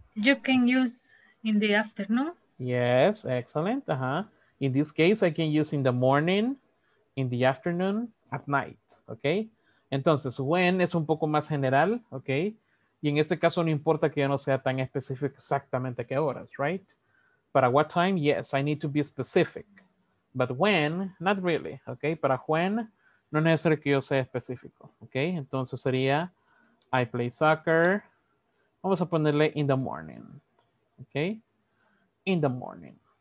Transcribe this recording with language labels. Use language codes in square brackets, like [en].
[en] In this case, you can use in the afternoon. Yes, excellent. Uh-huh. In this case, I can use in the morning, in the afternoon, at night. [es] Okay. Entonces, when es un poco más general. Okay. Y en este caso, no importa que yo no sea tan específico exactamente qué horas, right? [en] Para what time, yes, I need to be specific. But when, not really. [es] Okay. Para when, no es necesario que yo sea específico. Okay. Entonces sería. [en] I play soccer. [es] Vamos a ponerle [en] in the morning. Okay? In the morning.